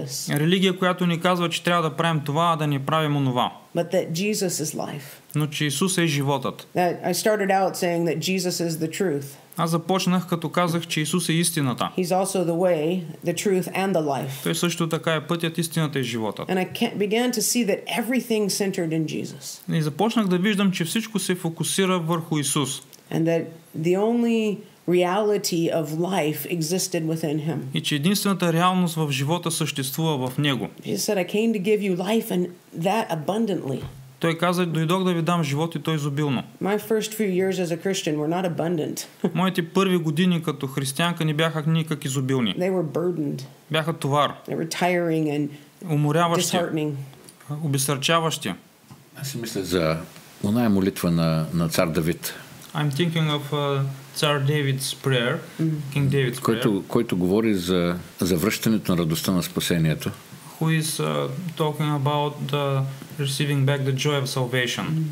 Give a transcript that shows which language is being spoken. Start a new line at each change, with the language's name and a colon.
Bulgarian: Религия, която ни казва, че трябва да правим това, а да не правим онова.
English: But that Jesus is life.
Bulgarian: Но че Исус е животът.
English: That I started out saying that Jesus is the truth.
Bulgarian: Аз започнах, като казах, че Исус е истината.
English: He's also the way, the truth and the life.
Bulgarian: Той също така е пътят, истината и животът.
English: And I began to see that everything centered in Jesus.
Bulgarian: И започнах да виждам, че всичко се фокусира върху Исус.
English: And that the only reality of life existed within him.
Bulgarian: И че единствената реалност в живота съществува в него.
English: He said, I came to give you life and that abundantly.
Bulgarian: Той каза, дойдох да ви дам живот и то изобилно.
English: My first few years as a Christian were not abundant.
Bulgarian: Моите първи години като християнка не бяха никак изобилни.
English: They were burdened.
Bulgarian: Бяха товар.
English: They were tiring and disheartening.
Bulgarian: Обесърчаващи. Аз си мисля за оная молитва на цар Давид.
English: I'm thinking of цар Давид's prayer, King David's prayer.
Bulgarian: Който говори за връщането на радостта на спасението.
English: Who is talking about the receiving back the joy of salvation.